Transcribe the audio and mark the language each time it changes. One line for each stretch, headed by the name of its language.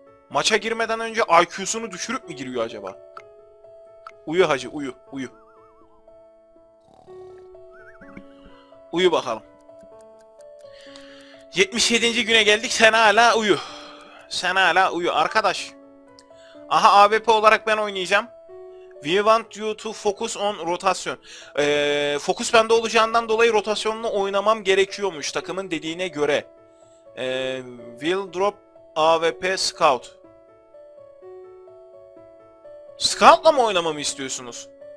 Turkish: Maça girmeden önce IQ'sunu düşürüp mü giriyor acaba? Uyu hacı, uyu, uyu. Uyu bakalım. 77. güne geldik, sen hala uyu. Sen hala uyu arkadaş. Aha, AWP olarak ben oynayacağım.
English: We want you to focus on rotation.
Turkish: Focus bende olacağından dolayı rotasyonla oynamam gerekiyormuş takımın dediğine göre.
English: Will drop AWP scout.
Turkish: Scout'la mı oynamamı istiyorsunuz?